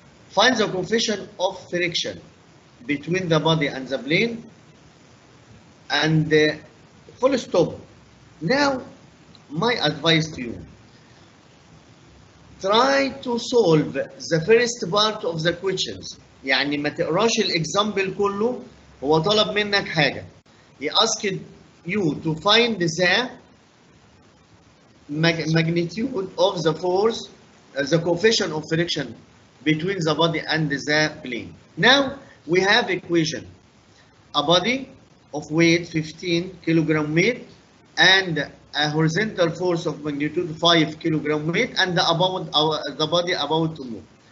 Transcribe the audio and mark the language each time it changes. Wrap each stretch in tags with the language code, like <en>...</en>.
<en>Find the coefficient of friction between the body and the plane and the full stop. Now, my advice to you, try to solve the first part of the questions.</en> <ar>يعني ما تقراش الاكزامبل كله, هو طلب منك حاجة.</ar> <en>He asked you to find the magnitude of the force, the coefficient of friction between the body and the plane. Now, we have equation. A body of weight 15 kilogram weight and a horizontal force of magnitude 5 kilogram weight and the body about to move.</en>